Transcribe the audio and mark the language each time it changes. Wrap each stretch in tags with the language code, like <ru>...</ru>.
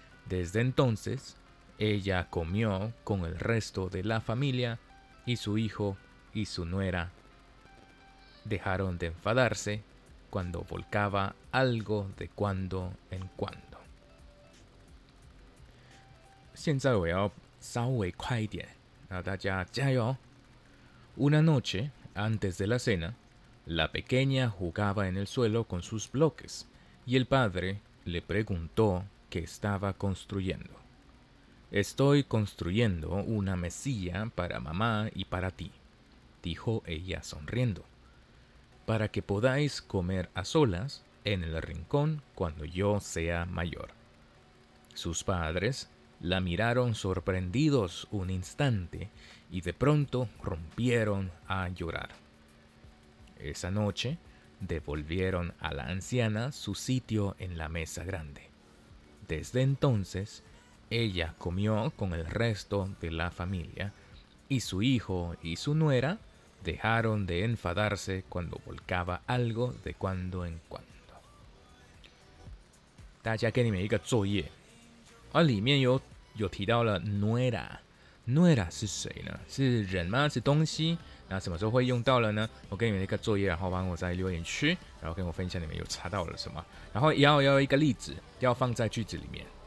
<es>Desde entonces ella comió con el resto de la familia y su hijo y su nuera dejaron de enfadarse cuando volcaba algo de cuando en cuando.</es> <zh>现在我要稍微快一点，那大家加油。</zh> <es>Una noche antes de la cena, la pequeña jugaba en el suelo con sus bloques y el padre le preguntó qué estaba construyendo. Estoy construyendo una mesilla para mamá y para ti, dijo ella sonriendo, para que podáis comer a solas en el rincón cuando yo sea mayor. Sus padres... La miraron sorprendidos un instante y de pronto rompieron a llorar. Esa noche devolvieron a la anciana su sitio en la mesa grande. Desde entonces ella comió con el resto de la familia y su hijo y su nuera dejaron de enfadarse cuando volcaba algo de cuando en cuando.</es> <zh>大家给你们一个作业，里面有提到了 nuera， nuera 是谁呢？是人吗？是东西？那什么时候会用到了呢？我给你们一个作业，然后帮我在留言区，然后跟我分享你们有查到了什么，然后要一个例子，要放在句子里面。</zh>